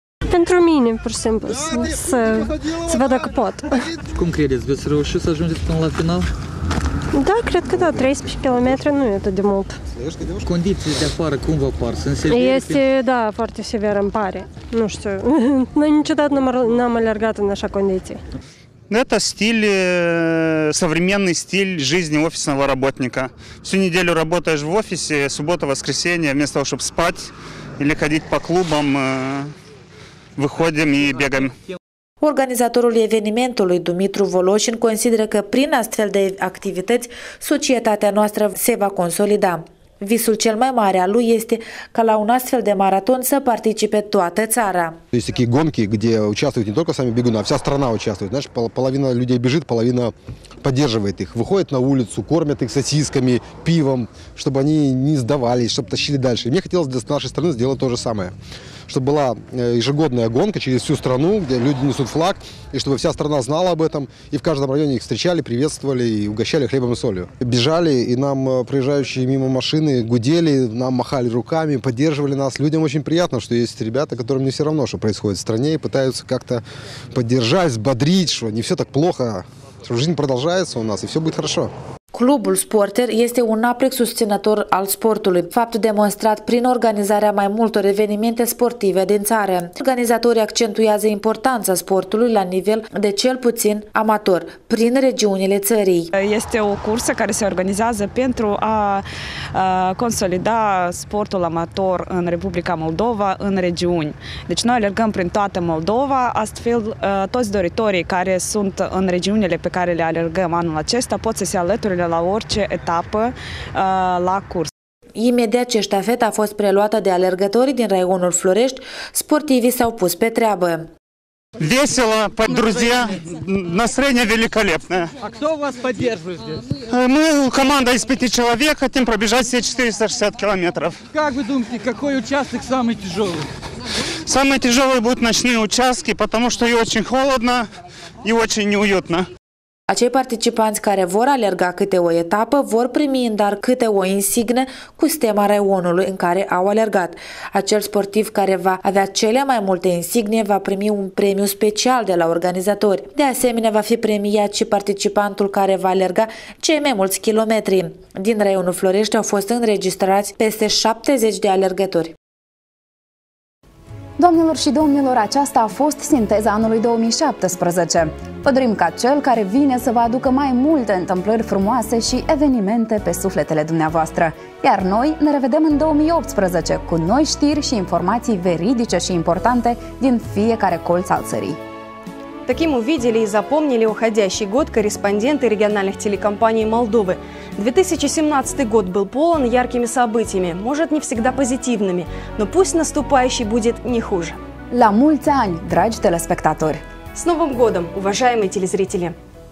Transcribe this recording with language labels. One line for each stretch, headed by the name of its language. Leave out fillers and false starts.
Romanian: Pentru mine, pur și simplu, să văd dacă pot. Cum credeți? Veți reuși să ajungeți până la final? Da, cred că da, 13 km nu e atât de mult. Condițiile de afară cum vă par? Sunt severe? Este, da, foarte severă, îmi pare. Nu știu, noi niciodată n-am alergat în așa condiții.
Russian: Это стиль, современный стиль жизни офисного работника. Всю неделю работаешь в офисе, суббота, воскресенье, вместо того, чтобы спать или ходить по клубам, выходим и бегаем.
Romanian: Organizatorul evenimentului, Dumitru Voloșin, consideră că prin astfel de activități societatea noastră se va consolida. Visul cel mai mare al lui este ca la un astfel de maraton să participe toată țara.
Russian: Есть такие гонки, где участвуют не только сами бегуны, а вся страна участвует. Знаешь, половина людей бежит, половина поддерживает их. Выходят на улицу, кормят их сосисками, пивом, чтобы они не сдавались, чтобы тащили дальше. Мне хотелось для нашей страны сделать то же самое. Чтобы была ежегодная гонка через всю страну, где люди несут флаг, и чтобы вся страна знала об этом, и в каждом районе их встречали, приветствовали и угощали хлебом и солью. Бежали, и нам проезжающие мимо машины гудели, нам махали руками, поддерживали нас. Людям очень приятно, что есть ребята, которым не все равно, что происходит в стране, и пытаются как-то поддержать, взбодрить, что не все так плохо, что жизнь продолжается у нас, и все будет хорошо.
Romanian: Clubul Sporter este un aprig susținător al sportului, fapt demonstrat prin organizarea mai multor evenimente sportive din țară. Organizatorii accentuează importanța sportului la nivel de cel puțin amator, prin regiunile țării. Este o cursă care se organizează pentru a consolida sportul amator în Republica Moldova, în regiuni. Deci noi alergăm prin toată Moldova, astfel toți doritorii care sunt în regiunile pe care le alergăm anul acesta pot să se alăture la orice etapă la curs. Imediat ce ștafeta a fost preluată de alergătorii din raionul Florești, sportivii s-au pus pe treabă.
Russian: Весело, друзья, настроение великолепное. А кто вас поддерживает здесь? Мы команда из 5 человек, хотим пробежать все 460 километров. Как вы думаете, какой участок самый тяжелый? Самые тяжелые будут ночные участки, потому что и очень холодно, и очень неуютно.
Romanian: Acei participanți care vor alerga câte o etapă vor primi în dar câte o insignă cu stema raionului în care au alergat. Acel sportiv care va avea cele mai multe insignie va primi un premiu special de la organizatori. De asemenea, va fi premiat și participantul care va alerga cei mai mulți kilometri. Din raionul Florești au fost înregistrați peste 70 de alergători. Doamnelor și domnilor, aceasta a fost sinteza anului 2017. Vă dorim ca cel care vine să vă aducă mai multe întâmplări frumoase și evenimente pe sufletele dumneavoastră. Iar noi ne revedem în 2018 cu noi știri și informații veridice și importante din fiecare colț al țării.
Russian: Таким увидели и запомнили уходящий год корреспонденты региональных телекомпаний Молдовы. 2017 год был полон яркими событиями, может, не всегда позитивными, но пусть наступающий будет не хуже.
Romanian: La mulți ani, dragi telespectatori!
Russian: С Новым годом, уважаемые телезрители!